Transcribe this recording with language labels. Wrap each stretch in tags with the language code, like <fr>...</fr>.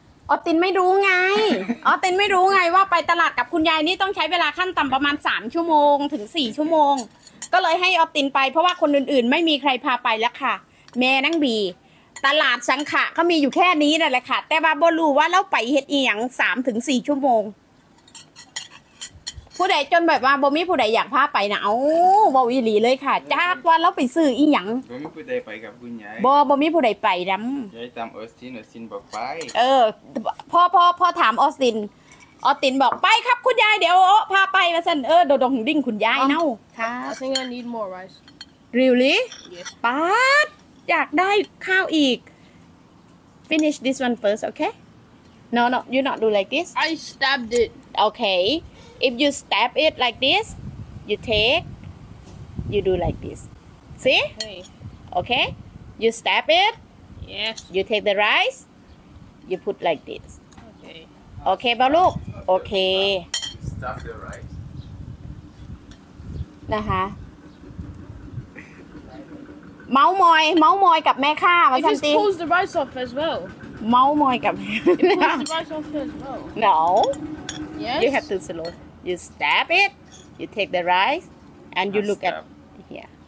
<th>ออตินไม่รู้ไงออตินไม่รู้ไงว่าไปตลาดกับคุณยายนี่ต้องใช้เวลาขั้นต่ำประมาณ3ชั่วโมงถึง4ชั่วโมงก็เลยให้ออตินไปเพราะว่าคนอื่นๆไม่มีใครพาไปแล้วค่ะแม่นั่งบีตลาดสังขะก็มีอยู่แค่นี้นั่นแหละค่ะแต่ว่าบ่รู้ว่าเล่าไปเฮ็ดอีหยัง3ถึง4ชั่วโมงผู้ใดจนแบบว่าบ่มีผู้ใดอยากพาไปนะเอ้าบ่อีหลีเลยค่ะจักว่าเล่าไปซื้ออีหยัง บ่มีผู้ใดไปกับคุณยาย บ่มีผู้ใดไปนําย ายตามออสตินออสตินบอกไป เออพ่อถามออสตินออสตินบอกไปครับคุณยายเดี๋ยวพาไปว่าซั่นเออดงดิ้งคุณยายเนา</th> <en>ค่ะ I think I need more rice Really Yes</en> <th>ป๊าดอยากได้ข้าวอีก</th> <en>Finish this one first okay No you not do like this I stabbed it okayIf you stab it like this, you take, you do like this. See? Okay. You stab it. Yes. You take the rice, you put like this. Okay. Okay, Balu. Okay. Okay. Stab the rice.</en> <th>นะคะ เมามอย เมามอยกับแม่ข้ามาทันที</th> <en>You just pull the rice off as well.</en> <th>เมามอยกับ</th> <en>You pull the rice off as well. No. Yes. You have to slowYou stab it, you take the rice, and you look at here.</en>